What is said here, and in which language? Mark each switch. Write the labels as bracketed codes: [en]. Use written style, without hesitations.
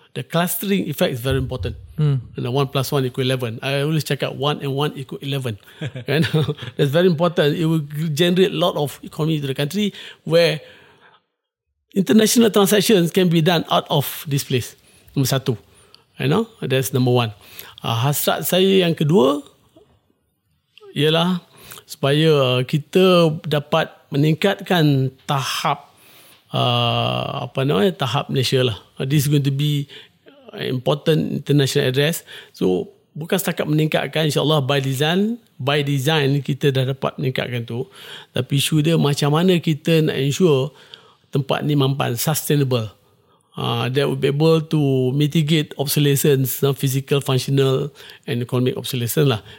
[en] The clustering effect is very important. And 1+1=11. I always check out 1 and 1=11. And that's very important. It will generate a lot of economy to the country where international transactions can be done out of this place. Number satu. You know? That's number one. [ms] Hasrat saya yang kedua ialah supaya kita dapat meningkatkan tahap tahap Malaysia lah. [en] This is going to be important international address. [ms] So bukan setakat meningkatkan, insyaAllah [en] by design [ms] kita dah dapat meningkatkan tu, tapi isu dia macam mana kita nak ensure tempat ni mampan, sustainable. [en] that would be able to mitigate obsolescence, physical, functional, and economic obsolescence lah.